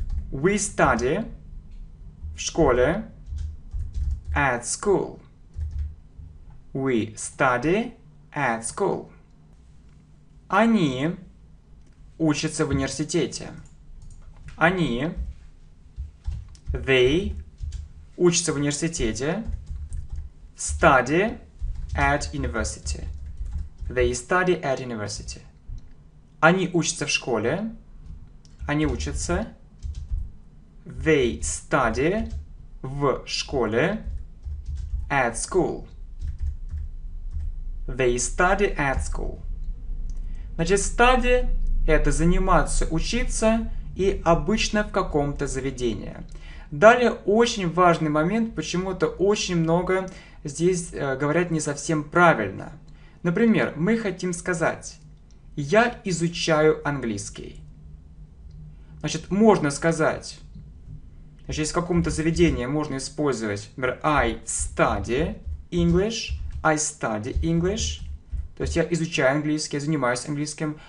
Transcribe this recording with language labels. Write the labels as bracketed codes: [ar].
[en] We study [ru] в школе [en] at school. We study at school. [ru] Они учатся в университете. Они, they, учатся в университете. [en] Study at university. They study at university. [ru] Они учатся в школе. Они учатся. [en] They study [ru] в школе. [en] At school. They study at school. [ru] Значит, study — это заниматься, учиться. и обычно в каком-то заведении. Далее очень важный момент, почему-то очень много здесь говорят не совсем правильно. Например, мы хотим сказать: «Я изучаю английский». Значит, можно сказать, значит, если в каком-то заведении можно использовать, например, [en] «I study English», [ru] «I study English», то есть «я изучаю английский», «я занимаюсь английским».